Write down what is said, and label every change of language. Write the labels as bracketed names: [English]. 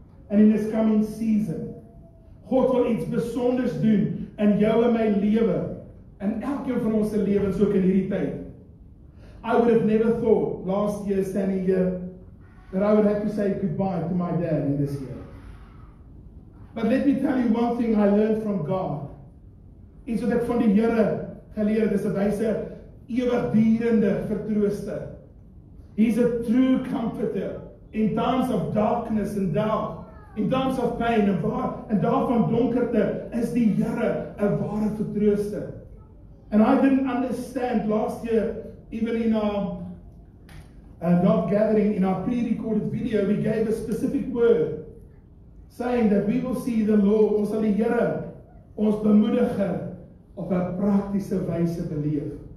[English] And in this coming season, [Afrikaans] God wil iets besonders doen in jou en my lewe en elkeen van ons se lewens ook in hierdie tyd. [English] I would have never thought last year standing here that I would have to say goodbye to my dad in this year. But let me tell you one thing I learned from God. [Afrikaans] Is dat van die Here geleer, dis 'n wyse ewigdurende vertrooster. [English] He's a true comforter in times of darkness and doubt. In times of pain and [Afrikaans] daarvan donkerte is die Here 'n ware vertrooster. [English] And I didn't understand last year, even in our not gathering, in our pre-recorded video, we gave a specific word saying that we will see the Lord, [Afrikaans] ons sal die Here, ons bemoediger op 'n praktiese wyse beleef.